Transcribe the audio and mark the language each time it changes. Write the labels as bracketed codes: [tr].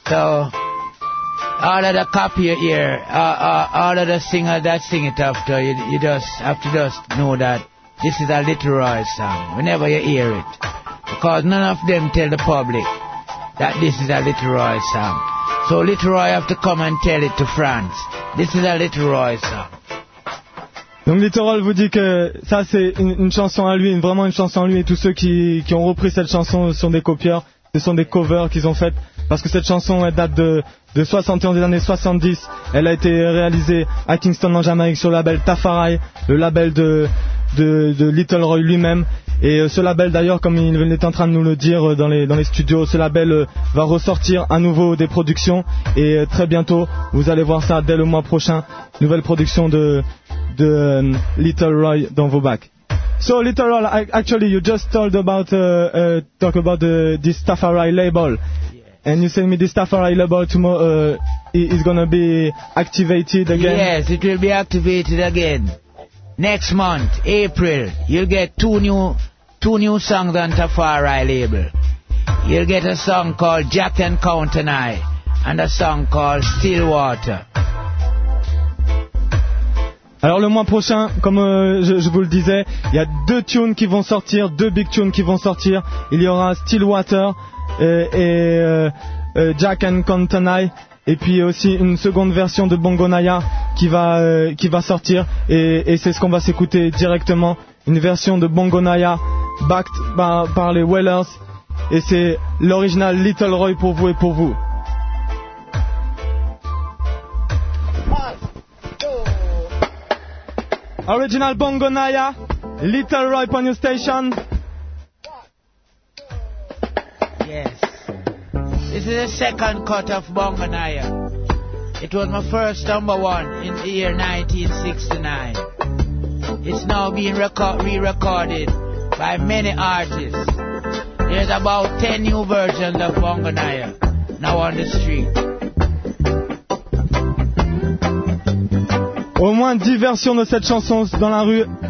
[en] So, all of the copy you hear, all of the singers that sing it after, you just have to just know that this is a literary song, whenever you hear it. Because none of them tell the public that this is a literary song. So literary have to come and tell it to France. This is a literary song. [fr] Donc Littoral vous dit que ça c'est une chanson à lui, vraiment une chanson à lui, et tous ceux qui ont repris cette chanson sont des copieurs, ce sont des covers qu'ils ont faites, parce que cette chanson elle date de 71, des années 70, elle a été réalisée à Kingston en Jamaïque sur le label Tafari, le label de Little Roy lui-même. Et ce label d'ailleurs, comme il est en train de nous le dire dans les studios, ce label va ressortir à nouveau des productions. Et très bientôt, vous allez voir ça dès le mois prochain, nouvelle production de Little Roy dans vos bacs. [en] So Little Roy, actually you just told about talk about this Tafari label. And you send me this Tafari label tomorrow, is going to be activated again? Yes, it will be activated again. Next month, April, you'll get two new songs on Tafari label. You'll get a song called Jack and Count and I, and a song called Stillwater. [fr] Alors le mois prochain, comme je vous le disais, il y a deux tunes qui vont sortir, deux big tunes qui vont sortir. Il y aura Stillwater et Jack and Count and I. Et puis aussi une seconde version de Bongo Naya qui va sortir, et c'est ce qu'on va s'écouter directement, une version de Bongo Naya backed par les Wellers, et c'est l'original Little Roy pour vous et pour vous. [en] Original Bongo Naya, Little Roy on your station. Yes. This is the second cut of Bongo Naya. It was my first number one in the year 1969. It's now being re-recorded by many artists. There's about 10 new versions of Bongo Naya now on the street. [fr] Au moins 10 versions de cette chanson dans la rue.